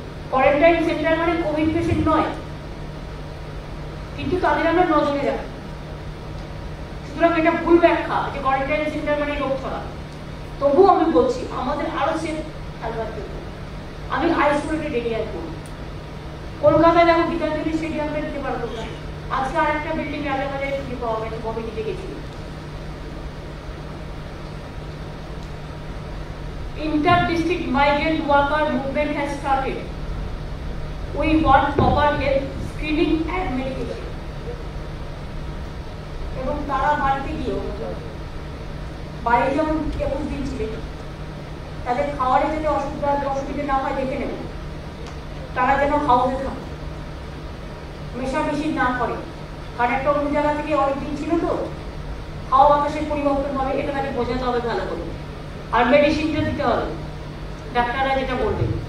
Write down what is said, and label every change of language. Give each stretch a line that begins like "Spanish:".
Bangla: Quarantine centre মানে Covid patient নয়, কিন্তু তাদের আমরা নজরে রাখি, সুতরাং এটা ভুল ব্যাখ্যা যে কোয়ারেন্টাইন সেন্টার মানে রোগ ছড়া, তবু আমি বলছি আমাদের আরো সেফ থাকবার জন্য আমি আইসোলেটেড এরিয়ায় করব। কলকাতায় দেখো গীতাঞ্জলি স্টেডিয়ামে দিতে পারবো না, আজকে আর একটা বিল্ডিং আলাদা করে ছুটি পাওয়া গেছে, কবে দিতে গেছিল
English: inter district migrant worker movement has started. We want proper health screening and medication.
Bangla: এবং তারা বাড়িতে গিয়ে বাইরে যেমন 21 দিন ছিলেন তাদের খাওয়ারে যাতে অসুবিধা অসুবিধা না হয় দেখে নেব তারা যেন হাউসে থাকে মেশামেশি না করে কারণ একটা অন্য জায়গা থেকে অনেক দিন ছিল তো হাওয়া বাতাসে পরিবর্তন হবে এটা তাকে বোঝাতে হবে ভালো করে আর মেডিসিনটা দিতে হবে ডাক্তাররা যেটা বলবে